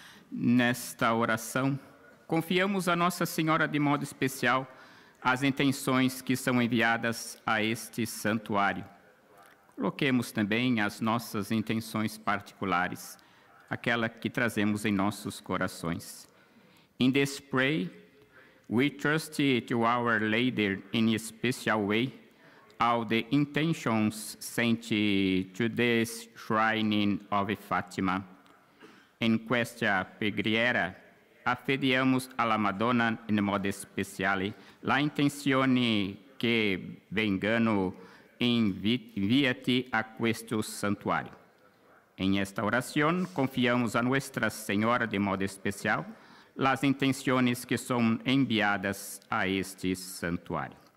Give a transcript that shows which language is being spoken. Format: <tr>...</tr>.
<pt>nesta oração, confiamos a Nossa Senhora de modo especial as intenções que são enviadas a este santuário. Coloquemos também as nossas intenções particulares, aquela que trazemos em nossos corações.</pt> <en>In this prayer, we trust to Our Lady in a special way, all the intentions sent to this shrine of Fatima.</en> <it>Em questa preghiera affidiamos alla Madonna in modo speciale la intenzione che vengano inviati a questo santuario.</it> <es>En esta oración confiamos a Nuestra Señora de modo especial las intenciones que son enviadas a este santuario.</es>